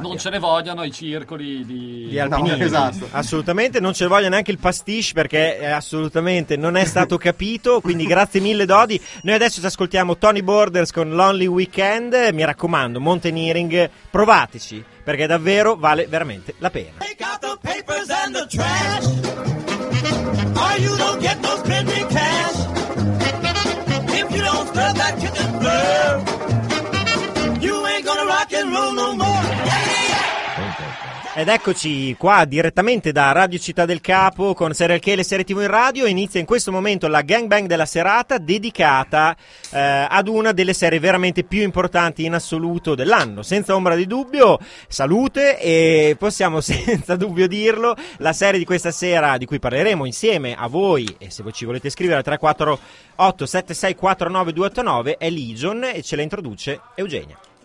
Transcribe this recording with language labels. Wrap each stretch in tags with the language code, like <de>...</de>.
<it>Non ce ne vogliono i circoli di alpinismo. No, esatto. Assolutamente non ce ne vogliono neanche il pastiche, perché assolutamente non è stato capito, quindi grazie mille Dodi. Noi adesso ci ascoltiamo Tony Borders con Lonely Weekend. Mi raccomando, mountaineering, provateci, perché davvero vale veramente la pena.</it> <en>Take out the papers and the trash, or you don't get those printing cash. If you don't scrub that kitchen floor, you ain't gonna rock and roll no more.</en> <it>Ed eccoci qua direttamente da Radio Città del Capo con Serial Kale e Serie TV in radio. Inizia in questo momento la gangbang della serata dedicata ad una delle serie veramente più importanti in assoluto dell'anno. Senza ombra di dubbio, salute, e possiamo senza dubbio dirlo, la serie di questa sera di cui parleremo insieme a voi, e se voi ci volete scrivere al 348-7649-289, è Legion e ce la introduce Eugenia.</it>